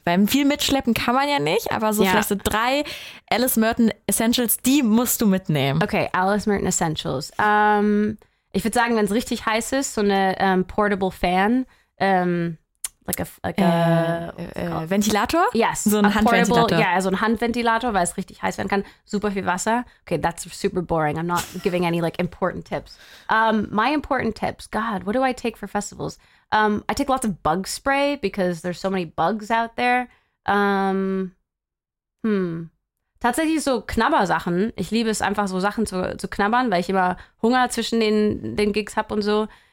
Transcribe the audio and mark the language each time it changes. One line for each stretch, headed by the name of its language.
German: Weil viel mitschleppen kann man ja nicht, aber so vielleicht so drei Alice Merton Essentials, die musst du mitnehmen. Okay, Alice Merton Essentials. Ich würde sagen, wenn es richtig heiß ist, so eine
English: Portable Fan,
German: Ventilator?
English: Yes.
German: So ein Handventilator. Ja, yeah, so ein Handventilator, weil es richtig heiß werden kann. Super viel Wasser.
English: Okay, that's super boring. I'm not giving any like important tips. My important tips. God, what do I take for festivals? I take lots of bug spray because there's so many bugs out there.
German: Tatsächlich so Knabbersachen. Ich liebe es einfach so Sachen zu knabbern, weil ich immer Hunger zwischen den Gigs habe und so.